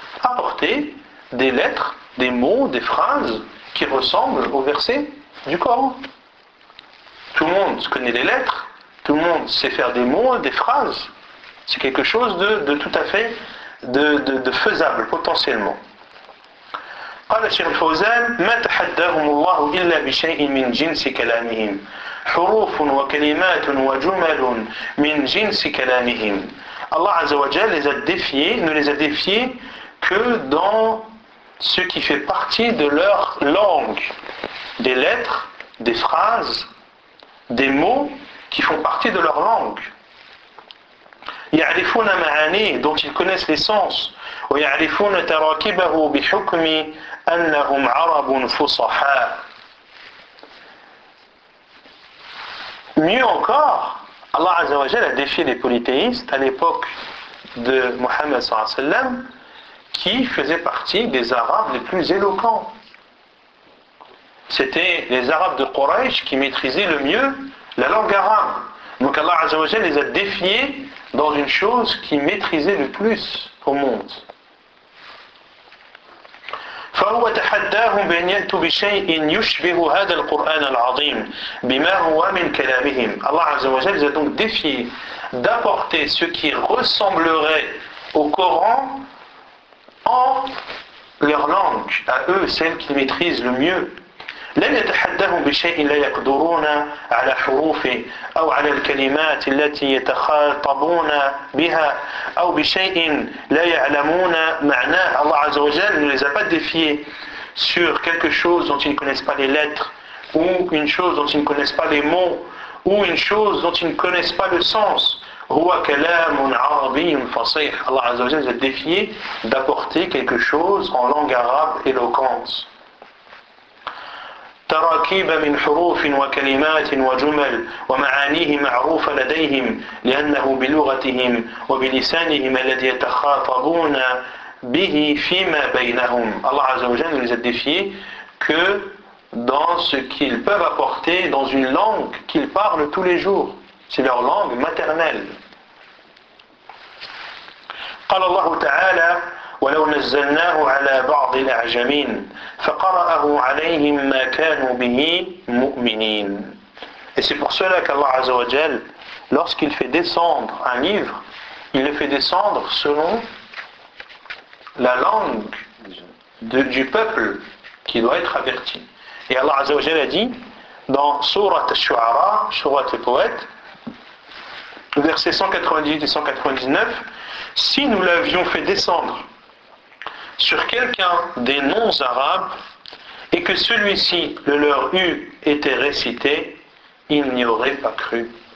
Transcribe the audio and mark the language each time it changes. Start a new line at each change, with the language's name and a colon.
French: Apporter des lettres, des mots, des phrases qui ressemblent aux versets du Coran. Tout le monde connaît les lettres, tout le monde sait faire des mots, des phrases. C'est quelque chose de tout à fait de faisable, potentiellement.
Arabic: قال الشيخ الفوزان ما تحداهم الله إلا بشيء من جنس كلامهم حروف وكلمات وجمل من جنس كلامهم.
French: Allah
Arabic: عز وجل
French: les a défiés, ne les a défiés que dans ce qui fait partie de leur langue, des lettres, des phrases, des mots qui font partie de leur langue.
Arabic: يعرفون معاني,
French: dont ils connaissent l'essence.
Arabic: ويعرفون تراكيبه بحكم أنهم عرب فصحاء.
French: Mieux encore, Allah Azza wa Jalla a défié les polythéistes à l'époque de Mohammed sallallahu alayhi wa sallam, qui faisaient partie des Arabes les plus éloquents. C'était les Arabes de Quraysh qui maîtrisaient le mieux la langue arabe. Donc Allah Azza wa Jalla les a défiés dans une chose qu'ils maîtrisaient le plus au monde.
Arabic: فهو تحداهم بأن يأتوا بشيء يشبه هذا القرآن العظيم بما هو من كلامهم. الله عز وجل
French: les a donc défiés d'apporter ce qui ressemblerait au Coran en leur langue, à eux, celle qu'ils maîtrisent le mieux.
Arabic: لن يتحداهم بشيء لا يقدرون على حروفه أو على الكلمات التي يتخاطبون بها أو بشيء لا يعلمون معناه.
French: Allah
Arabic: عز وجل
French: ne les a pas défiés sur quelque chose dont ils ne connaissent pas les lettres, ou une chose dont ils ne connaissent pas les mots, ou une chose dont ils ne connaissent pas le sens.
Arabic: هو كلام عربي فصيح.
French: Allah
Arabic: عز وجل
French: les a défiés d'apporter quelque chose en langue arabe éloquente.
Arabic: تراكيب من حروف وكلمات وجمل ومعانيه معروفة لديهم لأنه بلغتهم وبلسانهم الذي يتخاطبون به فيما بينهم.
French: Allah عز وجل les a défiés que dans ce qu'ils peuvent apporter dans une langue qu'ils parlent tous les jours. C'est leur langue maternelle.
Arabic: قال الله تعالى ولو نزلناه على بعض الأعجمين فقرأه عليهم ما كانوا به مؤمنين.
French: Et c'est pour cela qu'Allah Azza wa Jal, lorsqu'il fait descendre un livre, il le fait descendre selon la langue du peuple qui doit être averti. Et Allah Azza wa Jal a dit dans Sourate Al-Shu'ara, Sourate les poètes, versets 198 et 199, si nous l'avions fait descendre sur quelqu'un des noms arabes et que celui-ci le leur eût été récité, il n'y aurait pas cru.